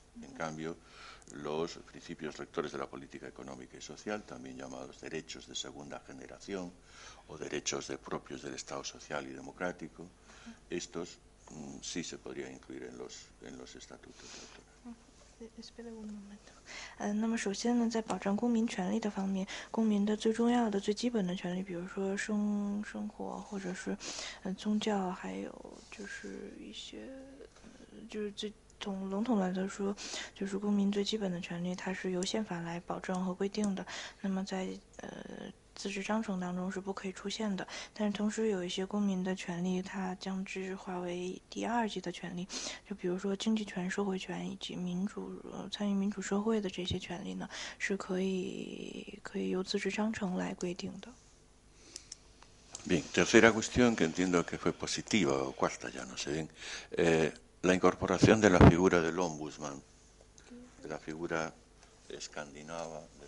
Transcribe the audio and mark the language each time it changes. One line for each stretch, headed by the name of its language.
Spanish: En cambio, los principios rectores de la política económica y social, también llamados derechos de segunda generación o derechos de propios del Estado social y democrático, estos sí se podrían incluir en los estatutos rectores. Espera un momento.
Chinese: 那么首先呢，在保障公民权利的方面，公民的最重要的、最基本的权利，比如说生活，或者是宗教，还有就是一些，就是最从笼统来说，就是公民最基本的权利，它是由宪法来保证和规定的。那么在自治章程当中是不可以出现的，但是同时有一些公民的权利，它将之化为第二级的权利，就比如说经济权、社会权以及民主参与民主社会的这些权利呢，是可以由自治章程来规定的。
Spanish: Bien, tercera cuestión que entiendo que fue positiva o cuarta ya no sé bien, la incorporación de la figura del ombudsman, de la figura escandinava.